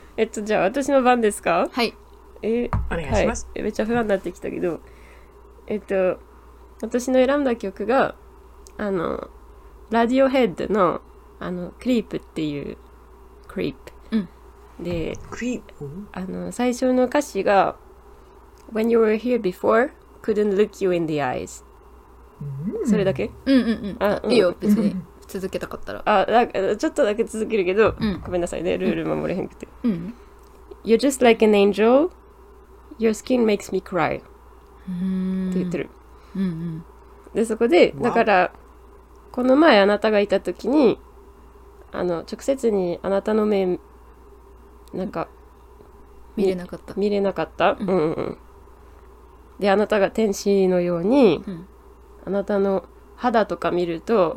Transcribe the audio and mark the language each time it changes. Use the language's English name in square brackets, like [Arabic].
[Japanese] じゃあ私の番ですか？はい。え、お願いします、はい。めっちゃ不安になってきたけど。私の選んだ曲が、あの、ラディオヘッドの、あの、クリープっていう、クリープ。うん、で、クリープ、あの、最初の歌詞が、 [English] When you were here before, couldn't look you in the eyes。 [Japanese] うん、それだけ？うんうんうん。あ、いいよ、別に。続けたかったら。あ、なんか、ちょっとだけ続けるけど、うん、ごめんなさいね、ルール守れへんくて。うん、 [English] You're just like an angel, your skin makes me cry。 [Japanese] って言ってる、うんうん、でそこでだからこの前あなたがいた時にあの直接にあなたの目なんか見れなかった見れなかった、うんうんうん、であなたが天使のように、うん、あなたの肌とか見ると、